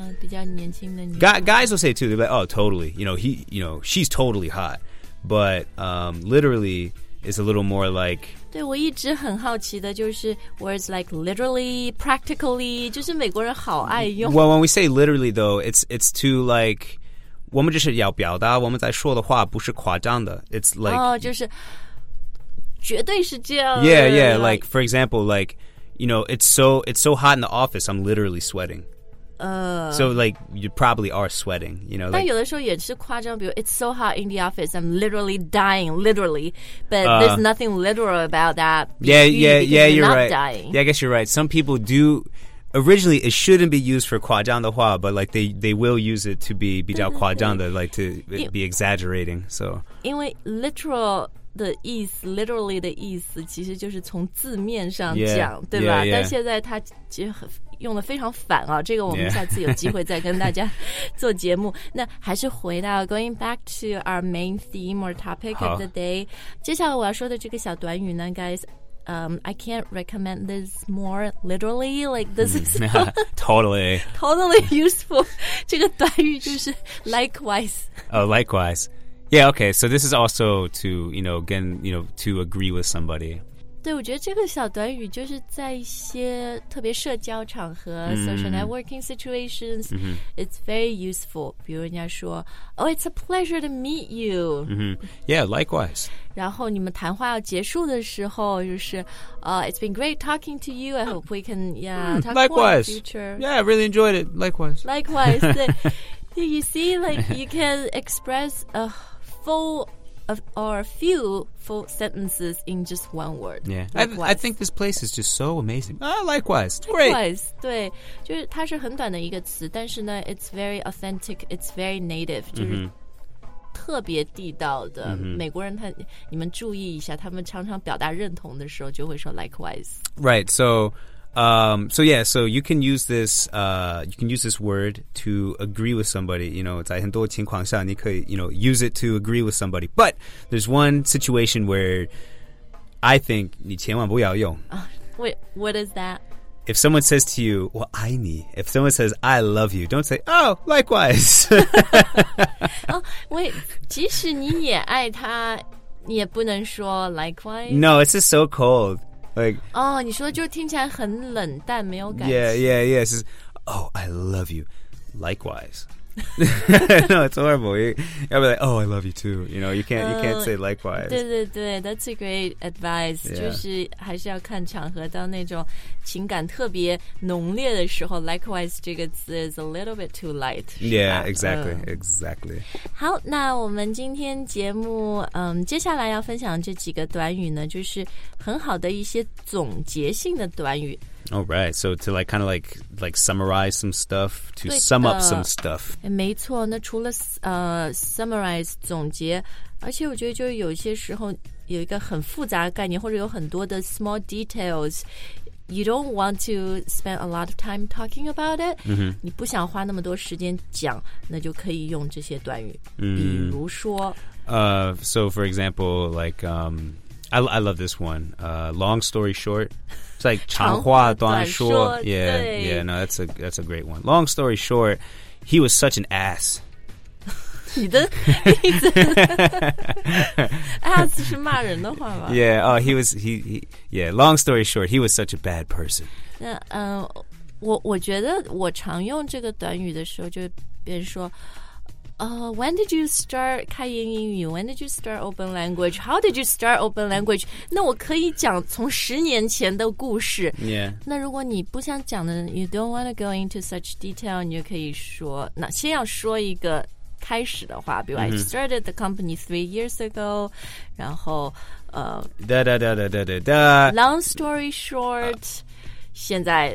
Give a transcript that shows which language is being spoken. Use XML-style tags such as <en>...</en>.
<zh>比较年轻的女孩。</zh> <en>Guys will say it too. They're like, oh, totally. You know, she's totally hot. But literally is a little more like...</en> <zh>对我一直很好奇的就是</zh> <en>words like literally, practically,</en> <zh>就是美国人好爱用。</zh> <en>Well, when we say literally, though, it's too like...</en> <zh>我们就是要表达我们在说的话不是夸张的。</zh> <en>It's like...</en> <zh>就是绝对是这样的</zh> <en>yeah yeah like for example like you know it's so hot in the office I'm literally sweating so like you probably are sweating you know like,</en> <zh>但有的时候也是夸张比如</zh> <en>it's so hot in the office I'm literally dying literally but there's nothing literal about that yeah you're not right、 dying. Yeah I guess you're right some people do originally it shouldn't be used for</en> <zh>夸张的话</zh> <en>but like they will use it to be</en> <zh>比较夸张的</zh> <en>like to be exaggerating so</en> <zh>因为 literal的意思 literally 的意思其实就是从字面上讲</zh> <en>yeah,</en> <zh>对吧</zh> <en>yeah, yeah.</en> <zh>但现在它其实用的非常反啊这个我们下次有机会再跟大家做节目、</zh> <en>yeah.</en> <zh>那还是回到</zh> <en>going back to our main theme or topic of the day</en> <zh>接下来我要说的这个小短语呢</zh> <en>guys、I can't recommend this more literally like this is totally</en> <zh>useful 这个短语就是 likewise</zh> <en>oh likewiseYeah, okay, so this is also to, you know, again, you know, to agree with somebody.</en> <zh>对，我觉得这个小短语就是在一些特别社交场合、</zh> <en>social networking situations,、it's very useful.</en> <zh>比如人家说</zh> <en>oh, it's a pleasure to meet you.、 Yeah, likewise.</en> <zh>然后你们谈话要结束的时候就是、</zh> <en>it's been great talking to you. I hope we can, talk more in the future. Yeah, I really enjoyed it. Likewise,</en> <zh>对。</zh> <en>You see, like, you can express a full of, or a few full sentences in just one word. Yeah, I think this place is just so amazing. Likewise, it's great.</en> <zh>Likewise, 对，就是它是很短的一个词，但是呢</zh> <en>it's very authentic, it's very native,</en> <zh>就是特别地道的。美国人他，你们注意一下，他们常常表达认同的时候就会说 likewise.</zh> <en>Right, so... so yeah, so you can use this, you can use this word to agree with somebody, you know,</en> <zh>在很多情况下你可以,</zh> <en>you know, use it to agree with somebody. But there's one situation where I think</en> <zh>你千万不要用.</zh> <en>What is that? If someone says to you,</en> <zh>我爱你,</zh> <en>if someone says, I love you, don't say, oh, likewise. Oh, wait,</en> <zh>即使你也爱他, 你也不能说 likewise?</zh> <en>No, it's just so cold.</en> <zh>Oh, 你说的就听起来很冷淡没有感情</zh> <en>Yeah, it's just, Oh, I love you Likewise No, it's horrible I'll be like, oh, I love you too You know, you can't say likewise</en> <zh>对对对</zh> <en>That's a great advice、 yeah.</en> <zh>就是还是要看场合到那种情感特别浓烈的时候 Likewise 这个词</zh> <en>is a little bit too light Yeah, exactly</en> <zh>好那我们今天节目、接下来要分享这几个短语呢就是很好的一些总结性的短语</zh> <en>Oh, right. So to like, kind of like summarize some stuff, to sum up some stuff.</en> <zh>没错，那除了summarize 总结，而且我觉得就是有些时候有一个很复杂的概念，或者有很多的</zh> <en>small details, you don't want to spend a lot of time talking about it.、 Mm-hmm.</en> <zh>你不想花那么多时间讲，那就可以用这些短语。 Mm-hmm. 比如说</zh> <en>So for example, like, I love this one. Long story short. Like</en> <zh>长话短说 yeah, 对</zh> <en>yeah, no, that's a great one. Long story short, he was such an ass.</en> <zh>你的意思 ass 是骂人的话吧</zh> <en>Yeah, he long story short, he was such a bad person.</en> <zh>我觉得我常用这个短语的时候就别人说</zh> <en>when did you start</en> <zh>开言英语</zh> <en>When did you start open language? How did you start open language?</en> <zh>那我可以讲从十年前的故事</zh> <en>Yeah</en> <zh>那如果你不想讲的</zh> <en>You don't want to go into such detail</en> <zh>你就可以说那先要说一个开始的话比如、mm-hmm.</zh> <en>I started the company 3 years ago</en> <zh>然后 da da da da da da da</zh> <en>Long story short现在</en>